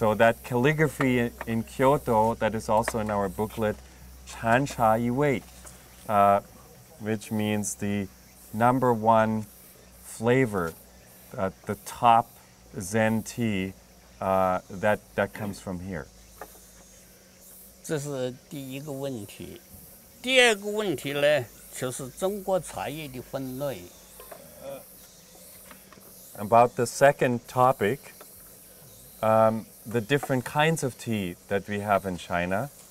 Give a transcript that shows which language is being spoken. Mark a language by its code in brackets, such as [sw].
[en] So that calligraphy in Kyoto, that is also in our booklet, Chan Cha Yi Wei, which means the number one flavor, the top Zen tea, that comes from here. [zh] 这是第一个问题，第二个问题呢，就是中国茶叶的分类。 [en] About the second topic, the different kinds of tea that we have in China.